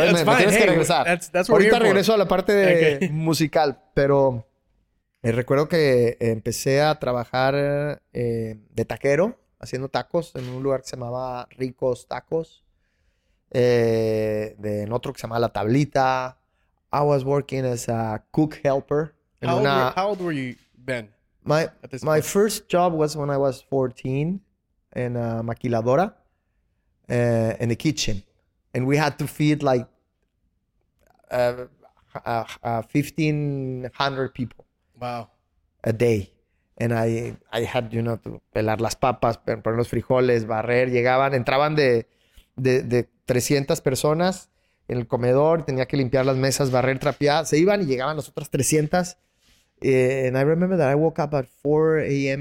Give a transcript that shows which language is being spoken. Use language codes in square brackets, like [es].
[es] Me tienes que regresar. [en] That's what [es] ahorita regreso a la parte de musical, pero recuerdo que empecé a trabajar de taquero, haciendo tacos en un lugar que se llamaba Ricos Tacos, en otro que se llamaba La Tablita. [en] I was working as a cook helper. How old were you then? My first job was when I was 14 in a maquiladora. In the kitchen, and we had to feed like 1,500 people a day. And I had, you know, to [es] pelar las papas, poner los frijoles, barrer. Llegaban, entraban de 300 personas en el comedor, tenía que limpiar las mesas, barrer, trapear. Se iban y llegaban las otras 300. [en] And I remember that I woke up at 4 a.m.